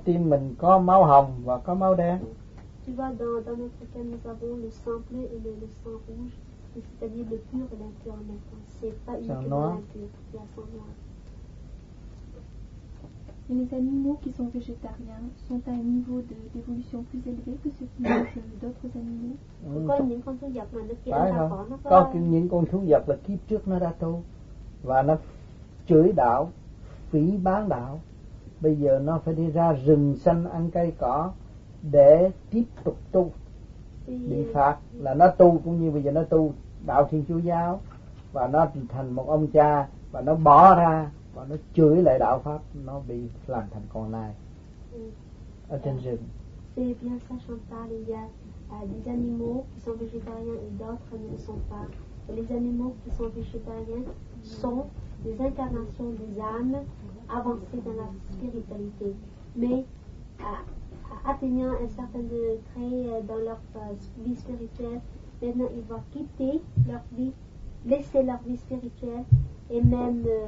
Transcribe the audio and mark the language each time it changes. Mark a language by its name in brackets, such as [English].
[Vietnamese] tim mình có máu hồng và có máu đen. [French] Tu vois, dans notre cas, nous avons le sang bleu et le sang rouge, c'est-à-dire le pur et l'impur en même temps. C'est pas uniquement l'impur, il y a sang noir. Et les animaux qui sont végétariens sont à un niveau d'évolution plus élevé que ceux qui mangent d'autres animaux. [Vietnamese] Có những con thú vật là kiếp trước nó đã tu và nó chửi đạo, phỉ báng đạo. Bây giờ nó phải đi ra rừng xanh ăn cây cỏ để tiếp tục tu. Bị phạt là nó tu, cũng như bây giờ nó tu đạo Thiên Chúa giáo và nó thành một ông cha và nó bỏ ra. Và nó chửi lại đạo pháp, nó bị làm thành con nai ở trên rừng. [French] C'est bien ça, Chantal. Il y a des animaux qui sont végétariens et d'autres ne sont pas. Et les animaux qui sont végétariens sont des incarnations des âmes avancées dans la spiritualité, mais atteignant un certain degré dans leur vie spirituelle, maintenant ils vont quitter leur vie, laisser leur vie spirituelle et même